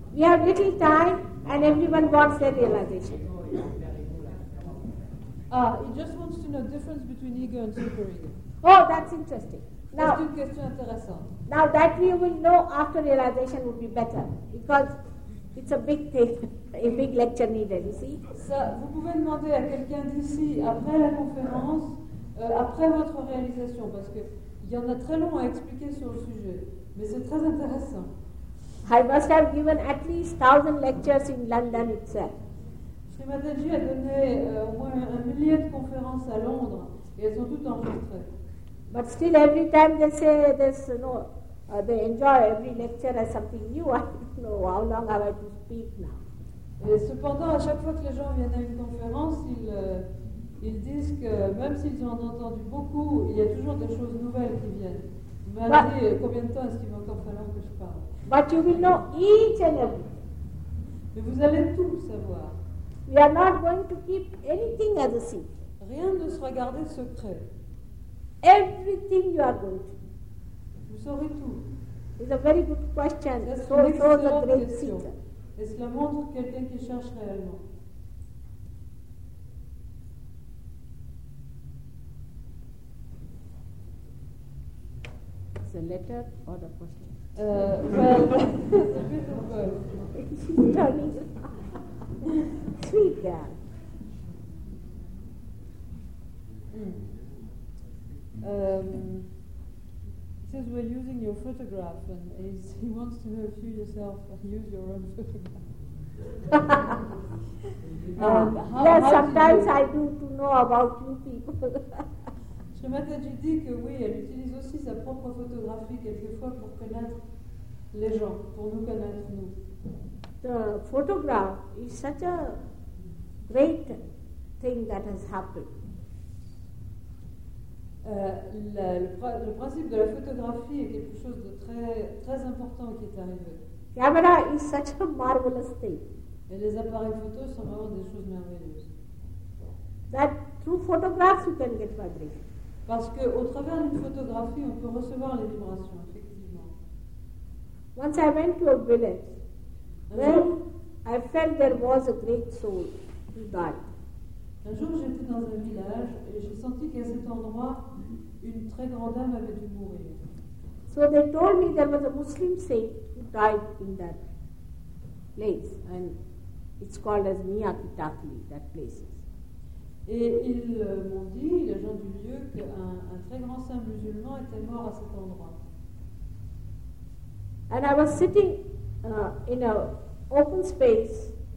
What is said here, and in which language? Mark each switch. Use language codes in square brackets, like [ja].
[en] We have little time and everyone wants their realization. He just wants to know the difference between ego and superego. Oh, that's interesting. Now, [fr] c'est une question intéressante. [en] Now that we will know after realization would be better because it's a big thing, a big lecture needed, you see. [fr] Ça, vous pouvez demander à quelqu'un d'ici après la conférence, après votre réalisation, parce qu'il y en a très long à expliquer sur le sujet, mais c'est très intéressant. [en] I must have given at least 1,000 lectures in London itself. [fr] Shri Mataji a donné au moins un millier de conférences à Londres et elles sont toutes enregistrées. [en] But still, every time they say this, you know, they enjoy every lecture as something new. I don't know how long have I to speak now. [fr] Et cependant, à chaque fois que les gens viennent à une conférence, ils disent que même s'ils en ont entendu beaucoup, il y a toujours des choses nouvelles qui viennent. Mais combien de temps est-ce qu'il va encore falloir que je parle? [en] But you will know each and everything. [fr] Mais vous allez tout savoir. [en] We are not going to keep anything as a secret. [fr] Rien ne sera gardé secret. [en] Everything you are going to do. [fr] Vous saurez tout. [en] It's a very good question. So is a great question. [fr] Est-ce la montre quelqu'un qui cherche réellement? [en] The letter or the question? Well, it's a bit of both. She's turning. Sweet girl. He says we're using your photograph, and he wants to know if you yourself use your own photograph. sometimes I do to know about you people. [fr] Shri Mataji dit que oui, elle utilise aussi sa propre photographie quelquefois pour connaître les gens, pour nous connaître nous. [en] The photograph is such a great thing that has happened. [fr] Le principe de la photographie est quelque chose de très très important qui est arrivé. [en] Camera is such a marvelous thing. [fr] Et les appareils photos sont vraiment des choses merveilleuses. [en] That through photographs you can get vibration. [fr] Parce que au travers d'une photographie, on peut recevoir les vibrations, effectivement. [en] Once I went to a village, where I felt there was a great soul to God. [fr] Un jour, j'étais dans un village et j'ai senti qu'à cet endroit, une très grande âme avait dû mourir. [en] So they told me there was a Muslim saint who died in that place, and it's called as Miyakitakli, that place. [fr] Et ils m'ont dit, les gens du lieu, qu'un très grand saint musulman était mort à cet endroit. [en] And I was sitting in an open space.